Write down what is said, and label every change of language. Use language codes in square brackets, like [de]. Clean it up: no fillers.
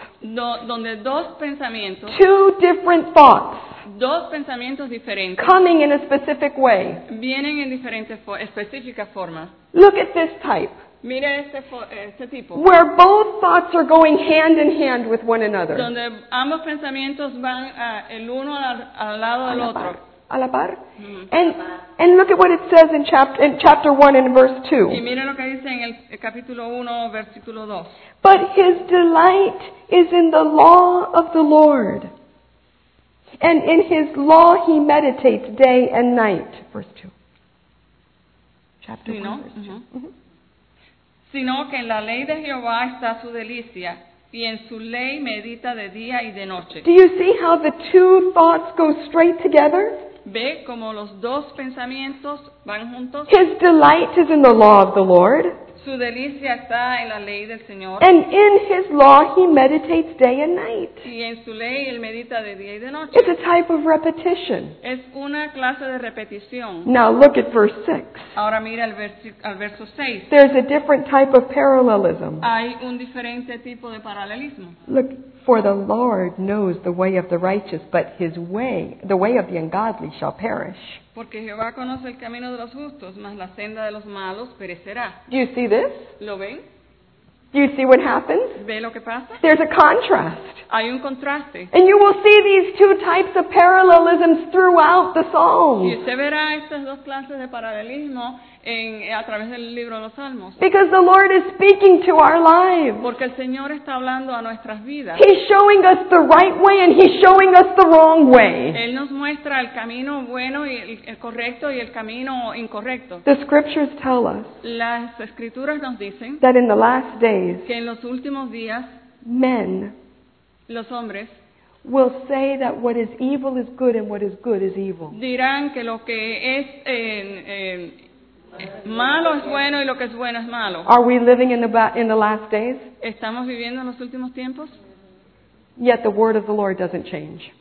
[es] Donde dos pensamientos. [en] Two different thoughts. [es] Dos pensamientos diferentes. [en] Coming in a specific way. [es] Vienen en diferentes específicas formas. [en] Look at this type. [es] Mire este tipo. [en] Where both thoughts are going hand in hand with one another. [es] Donde ambos pensamientos van el uno al lado del otro. A la par. [en] And look at what it says in chapter 1 in verse 2. [es] Y mire lo que dice en el capítulo 1, versículo 2. [en] But his delight is in the law of the Lord. And in his law he meditates day and night. Verse 2. Chapter 1, [es] Sino que en la ley de Jehová está su delicia, y en su ley medita de día y de noche. [en] Do you see how the two thoughts go straight together? [es] ¿Ve como los dos pensamientos van juntos? [en] His delight is in the law of the Lord. [es] Su delicia está en la ley del Señor. [en] And in his law he meditates day and night. [es] Y en su ley él medita de día y de noche. [en] It's a type of repetition. [es] Es una clase de repetición. [en] Now look at verse 6. [es] Ahora mira al verso 6. [en] There's a different type of parallelism. [es] Hay un diferente tipo de paralelismo. [en] Look, for the Lord knows the way of the righteous, but his way, the way of the ungodly shall perish. [es] Porque Jehová conoce el camino de los justos, mas la senda de los malos perecerá. [en] Do you see this? [es] ¿Lo ven? [en] Do you see what happens? [es] ¿Ve lo que pasa? [en] There's a contrast. [es] Hay un contraste. [en] And you will see these two types of parallelisms throughout the Psalms. [es] Y usted verá estas dos clases de paralelismo a través del libro de los Salmos. [en] Because the Lord is speaking to our lives. [es] Porque el Señor está hablando a nuestras vidas. [en] He's showing us the right way and he's showing us the wrong way. [es] Él nos muestra el camino bueno y el correcto y el camino incorrecto. [en] The scriptures tell us. [es] Las escrituras nos dicen. [en] That in the last days. [es] Que en los últimos días. [en] Men. [es] Los hombres. [en] will say that what is evil is good and what is good is evil. [es] Dirán que lo que es malo es bueno y lo que es bueno es malo. [en] Are we living in the last days? [es] ¿Estamos viviendo en los últimos tiempos? [en] Yet the word of the Lord doesn't change.